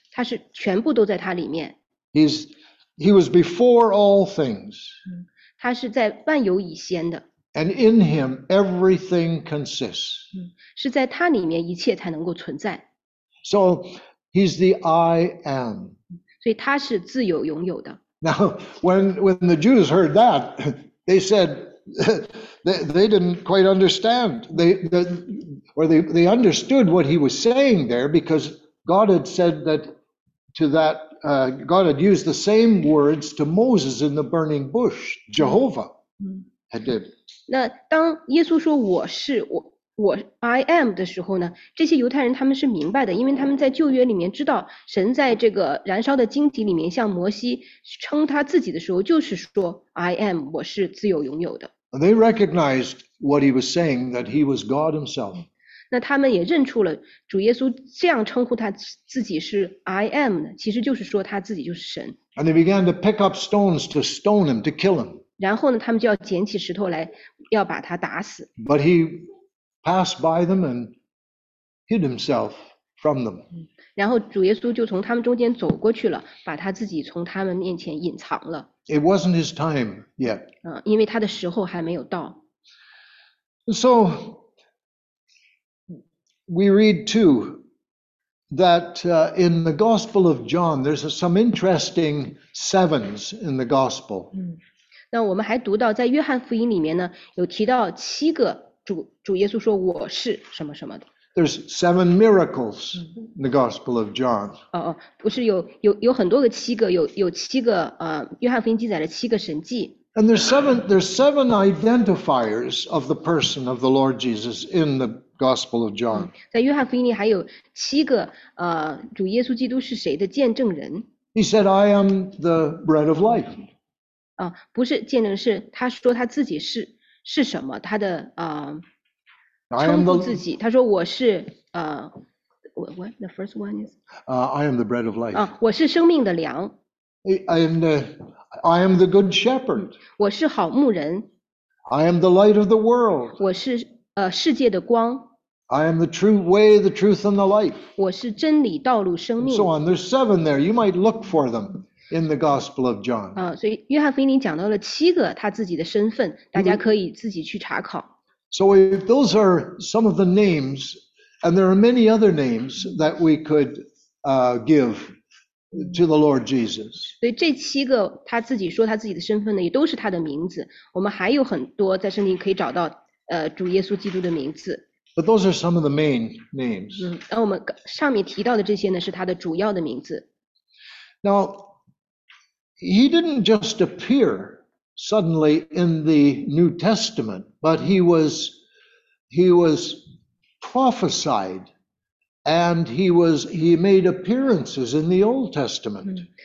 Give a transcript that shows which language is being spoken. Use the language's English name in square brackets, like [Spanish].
[Chinese] 他是全部都在他里面。 [English] He was before all things. [Chinese] 他是在万有以先的。 [English] And in him, everything consists. [Chinese] 是在他里面一切才能够存在。 [English] So, he's the I am. [Chinese] 所以他是自有拥有的。 [English] Now, when the Jews heard that, they said, they didn't quite understand. They understood what he was saying there because God had said that to that, God had used the same words to Moses in the burning bush, Jehovah. [Chinese] 那当耶稣说我是我 [English] I am [Chinese] 的时候呢，这些犹太人他们是明白的，因为他们在旧约里面知道神在这个燃烧的荆棘里面向摩西称他自己的时候，就是说 [English] I am， [Chinese] 我是自有拥有的。 [English] They recognized what he was saying, that he was God himself. [Chinese] 那他们也认出了主耶稣这样称呼他自己是 [English] I am， [Chinese] 其实就是说他自己就是神。 [English] And they began to pick up stones to stone him, to kill him. [Chinese] 然后呢，他们就要捡起石头来，要把他打死。 [English] But he passed by them and hid himself from them. [Chinese] 然后主耶稣就从他们中间走过去了，把他自己从他们面前隐藏了。 [English] It wasn't his time yet. [Chinese] 因为他的时候还没有到。 [English] So we read too that in the Gospel of John, there's some interesting sevens in the Gospel. [Chinese] 那我们还读到在约翰福音里面呢，有提到七个主耶稣说我是什么什么的。 [English] There's seven miracles in the Gospel of John. [Chinese] 不是有很多个七个，有七个约翰福音记载了七个神迹。 [English] And there's seven identifiers of the person of the Lord Jesus in the Gospel of John. [Chinese] 在约翰福音里还有七个主耶稣基督是谁的见证人。 [English] He said, "I am the bread of life." [Chinese] 不是见证，是他说他自己是什么，他的称呼自己。他说我是 [English] what the first one is? I am the bread of life. [Chinese] 我是生命的粮。 [English] And I am the good shepherd. [Chinese] 我是好牧人。 [English] I am the light of the world. [Chinese] 我是世界的光。 [English] I am the true way, the truth, and the life. [Chinese] 我是真理、道路、生命。 [English] So on. There's seven there. You might look for them. In the Gospel of John. [Chinese] 所以约翰福音讲到了七个他自己的身份，大家可以自己去查考。 [English] So if those are some of the names, and there are many other names that we could give to the Lord Jesus. [Chinese] 所以这七个他自己说他自己的身份呢，也都是他的名字。我们还有很多在圣经可以找到主耶稣基督的名字。 [English] But those are some of the main names. [Chinese] 那我们上面提到的这些呢，是他的主要的名字。 [English] Now,He didn't just appear suddenly in the New Testament, but he was prophesied, and he made appearances in the Old Testament.